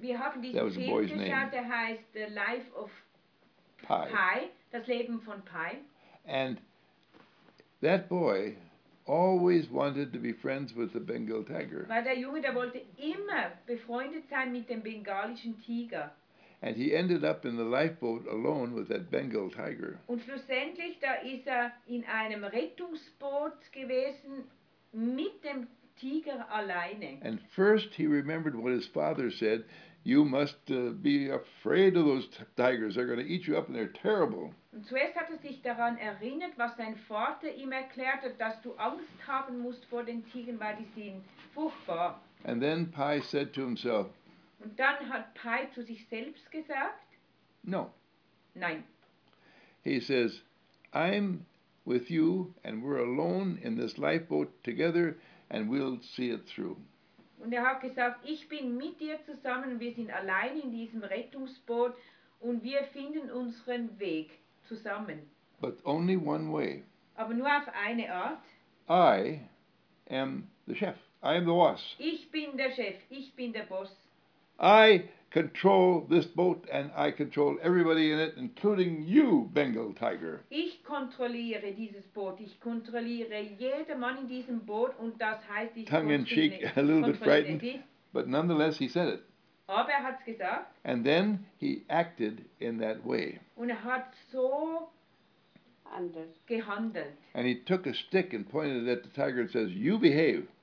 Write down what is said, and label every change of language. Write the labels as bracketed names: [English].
[German] Wir haben diesen Film geschaut, der heißt The Life of Pi. Pi. Das Leben von Pi. [English] And that boy always wanted to be friends with the Bengal tiger. [German] Weil der Junge, der wollte immer befreundet sein mit dem bengalischen Tiger. [English] And he ended up in the lifeboat alone with that Bengal tiger. [German] Und schlussendlich, da ist er in einem Rettungsboot gewesen mit dem Tiger alleine. [English] And first he remembered what his father said, you must be afraid of those tigers, they're going to eat you up and they're terrible. [German] Und zuerst hat er sich daran erinnert, was sein Vater ihm erklärt hat, dass du Angst haben musst vor den Tigern, weil die sind furchtbar. [English] And then Pi said to himself, [German] und dann hat Pi zu sich selbst gesagt, [English] no. [German] Nein. [English] He says, I'm with you and we're alone in this lifeboat together and we'll see it through. [German] Und er hat gesagt, ich bin mit dir zusammen, wir sind allein in diesem Rettungsboot und wir finden unseren Weg zusammen. [English] But only one way. [German] Aber nur auf eine Art. [English] I am the chef. I am the boss. [German] Ich bin der Chef. Ich bin der Boss. [English] I control this boat and I control everybody in it, including you, Bengal Tiger. [German] Ich kontrolliere dieses Boot. Ich kontrolliere jeden Mann in diesem Boot und das heißt, ich [English] tongue in cheek, a little bit frightened, but nonetheless he said it. [German] Aber er hat's gesagt. [English] And then he acted in that way. [German] Und er hat so gehandelt. [English] And he took a stick and pointed it at the tiger and says, you behave.